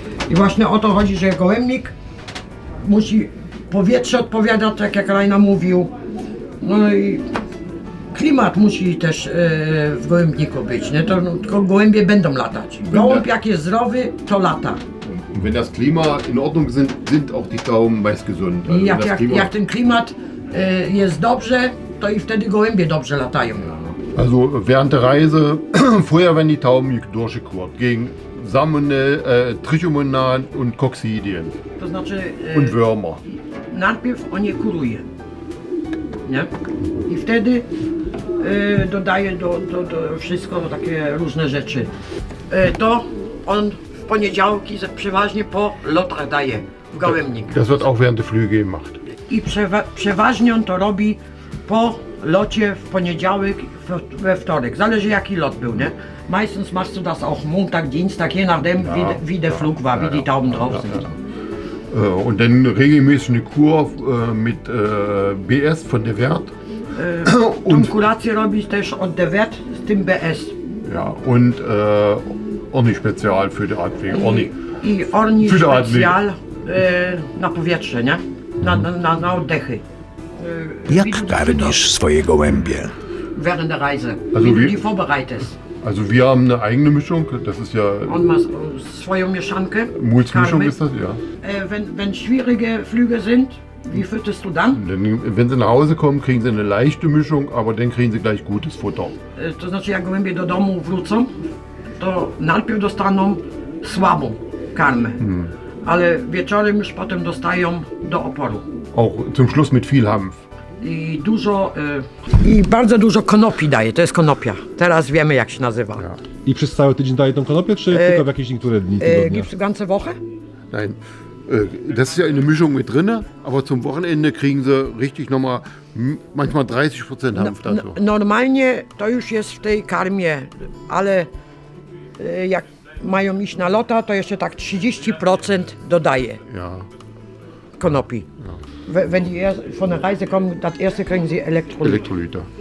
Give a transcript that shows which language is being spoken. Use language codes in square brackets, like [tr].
[pl] I właśnie o to chodzi, że gołębnik musi powietrze odpowiadać, tak jak Rajna mówił. No i klimat musi też w gołębniku być, nie? To, no, tylko gołębie będą latać. Gołąb jak jest zdrowy, to lata. [de] Wenn das Klima in Ordnung sind, sind auch die Tauben meist gesund. [pl] Also jak ten klimat jest dobrze, to i wtedy gołębie dobrze latają. [de] Also während der Reise, vorher werden die Tauben durchgekurt gegen Salmonelle, Trichomonaden und Coccidien. [pl] To znaczy, [de] und Würmer. [pl] Najpierw on je kuruje. Nie? I wtedy dodaje do wszystko takie różne rzeczy. To on w poniedziałki przeważnie po lotach daje w gołębnik. [de] Das wird auch während der Flüge gemacht. [pl] I przeważnie on to robi po locie w poniedziałek, we wtorek. Zależy jaki lot był, nie? [de] Meistens machst du das auch Montag, Dienstag, je nachdem wie der Flug war, wie die Tauben drauf sind. Und dann regelmäßig eine Kur mit BS von der Wert. [pl] Und Kuracje robi też od der Wert z tym BS. [de] Ja, und Orni Spezial für die Atmung. Orni. [pl] I Orni Spezial na powietrze, nie? Na oddechy. Jak karmisz swoje gołębie? [de] Während der Reise. Also wie du die vorbereitest. Also wir haben eine eigene Mischung, das ist ja... [pl] On ma swoją mieszankę. [de] Mulzmischung ist das, ja. Wenn schwierige Flüge sind, wie fütterst du dann? Wenn sie nach Hause kommen, kriegen sie eine leichte Mischung, aber dann kriegen sie gleich gutes Futter. [pl] To znaczy, jak gołębie do domu wrócą, to najpierw dostaną słabą karmę. Hmm. Ale wieczorem już potem dostają do oporu. [de] Auch zum Schluss mit viel Hanf. [pl] I dużo, i bardzo dużo konopi daje, to jest konopia. Teraz wiemy jak się nazywa. [de] Ja. [pl] I przez cały tydzień daje tą konopię, czy tylko w jakieś niektóre dni tygodnia? [de] Gibt's ganze Woche? Nein. Das ist ja eine Mischung mit drinne, aber zum Wochenende kriegen sie richtig nochmal manchmal 30% Hanf dazu. [pl] Normalnie to już jest w tej karmie, ale jak mają iść na lota, to jeszcze tak 30% dodaje. [de] Ja. [pl] Konopi. [de] Wenn die erst von der Reise kommen, das erste kriegen sie Elektrolyte.